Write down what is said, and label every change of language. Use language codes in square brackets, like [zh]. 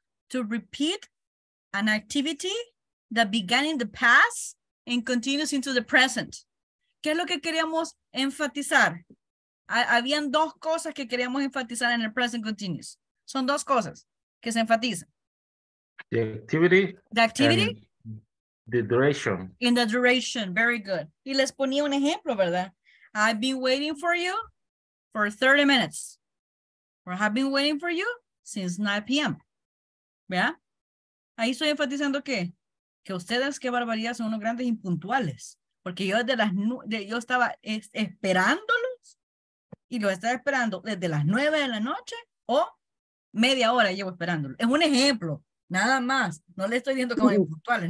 [en] To repeat an activity that began in the past and continues into the present. [es] ¿Qué es lo que queríamos enfatizar? Habían dos cosas que queríamos enfatizar en el present continuous. Son dos cosas que se enfatizan. [en] The activity. The activity. The duration. In the duration, very good. [es] Y les ponía un ejemplo, ¿verdad? [en] I've been waiting for you for 30 minutes. Or I've been waiting for you since 9 p.m. [es] ¿Vean? Ahí estoy enfatizando que, ustedes, qué barbaridad, son unos grandes impuntuales. Porque yo desde las yo estaba esperándolos y los estaba esperando desde las 9 de la noche o media hora llevo esperándolos. Es un ejemplo, nada más. No le estoy diciendo como impuntuales.